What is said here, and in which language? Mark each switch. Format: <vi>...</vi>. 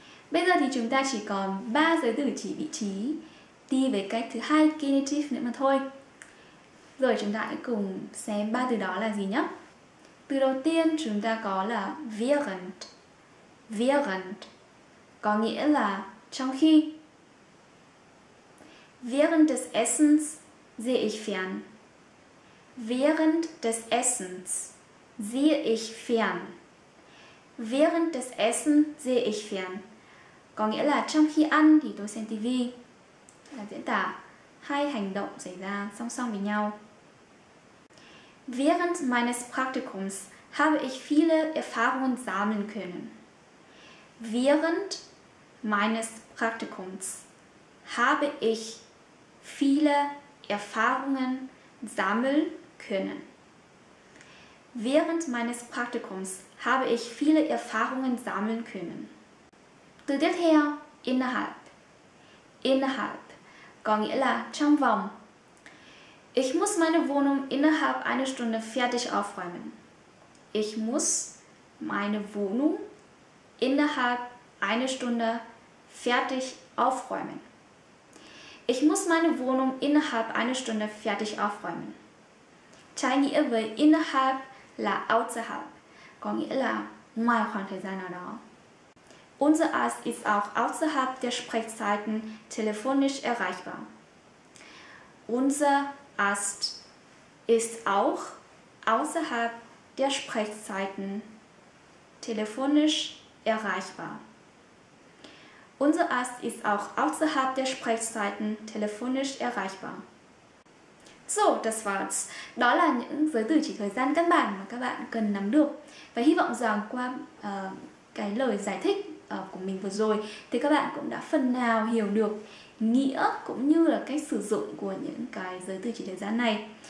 <vi>Bây giờ thì chúng ta chỉ còn 3 giới từ chỉ vị trí đi với cách thứ hai genitive nữa mà thôi. Rồi chúng ta hãy cùng xem 3 từ đó là gì nhé. Từ đầu tiên chúng ta có là während. Während có nghĩa là trong khi.</vi> <de>Während des Essens sehe ich fern. Während des Essens sehe ich fern. Während des Essens sehe ich fern.</de> <vi>Có nghĩa là trong khi ăn thì tôi xem TV. Là diễn tả hai hành động xảy ra song song với nhau.</vi> <de>Während meines Praktikums habe ich viele Erfahrungen sammeln können. Während meines Praktikums habe ich viele Erfahrungen sammeln können. Während meines Praktikums habe ich viele Erfahrungen sammeln können.</de> <vi>Từ tiếp theo, innerhalb. Innerhalb có nghĩa là trong vòng.</vi> <de>Ich muss meine Wohnung innerhalb einer Stunde fertig aufräumen. Ich muss meine Wohnung innerhalb einer Stunde fertig aufräumen. Ich muss meine Wohnung innerhalb einer Stunde fertig aufräumen.</de> <vi>Trái nghĩa với innerhalb là außerhalb, có nghĩa là ngoài khoảng thời gian nào đó.</vi> <de>Unser Arzt ist auch außerhalb der Sprechzeiten telefonisch erreichbar. Unser Arzt ist auch außerhalb der Sprechzeiten telefonisch erreichbar. Unser Arzt ist auch außerhalb der Sprechzeiten telefonisch erreichbar. So, das war's.</de> <vi>Đó là những giới từ chỉ thời gian căn bản mà các bạn cần nắm được. Và hy vọng rằng qua cái lời giải thích của mình vừa rồi thì các bạn cũng đã phần nào hiểu được nghĩa cũng như là cách sử dụng của những cái giới từ chỉ thời gian này.</vi>